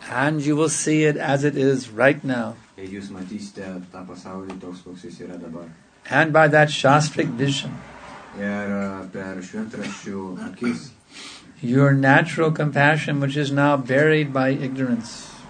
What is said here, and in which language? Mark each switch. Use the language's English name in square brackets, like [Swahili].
[English] And you will see it as it is right now. [Lithuanian] Ir jūs matysite tą pasaulį toks, koks jis yra dabar. [English] And by that Shastric vision. [Lithuanian] Ir per šventraščių akis. [English] Your natural compassion, which is now buried by ignorance.